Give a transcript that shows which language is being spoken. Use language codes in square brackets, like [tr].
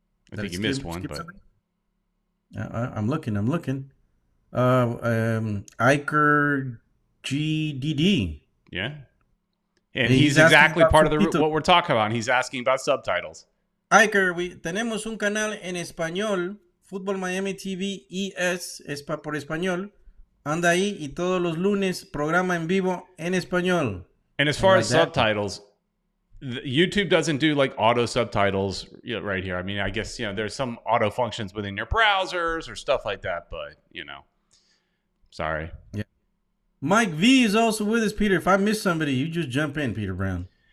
[en] I think you missed one, but... I'm looking. Iker GDD. Yeah. And he's exactly part of what we're talking about. He's asking about subtitles. [es] Iker, we tenemos un canal en español, Football Miami TV ES, es por español. Anda ahí y todos los lunes programa en vivo en español. [en] And as far as subtitles... YouTube doesn't do like auto subtitles right here. I mean, I guess, you know, there's some auto functions within your browsers or stuff like that, but, you know, sorry. Yeah. Mike V is also with us, Peter. If I miss somebody, you just jump in, Peter Brown.